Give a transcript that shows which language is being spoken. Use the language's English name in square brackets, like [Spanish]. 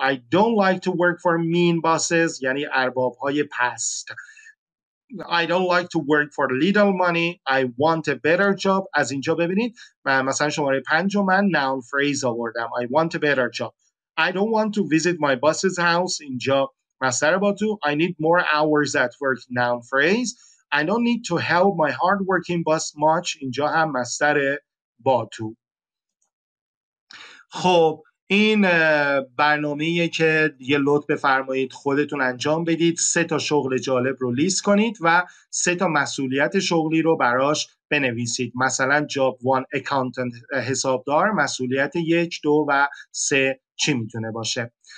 [English] I don't like to work for mean bosses. [Persian] یعنی ارباب های پست. [English] I don't like to work for little money. I want a better job. [Persian] از اینجا ببینید. مثلا شماره پنجم من noun phrase آوردم. [English] I want a better job. I don't want to visit my boss's house. [Persian] اینجا مصدر باطق. [English] I need more hours at work. Noun phrase. I don't need to help my hardworking boss much. [Persian] اینجا هم مصدر باطق. خب این برنامه‌ایه که یه لطف بفرمایید خودتون انجام بدید، سه تا شغل جالب رو لیست کنید و سه تا مسئولیت شغلی رو براش بنویسید. مثلا جاب 1 اکاونتنت، حسابدار، مسئولیت 1 2 و 3 چی میتونه باشه.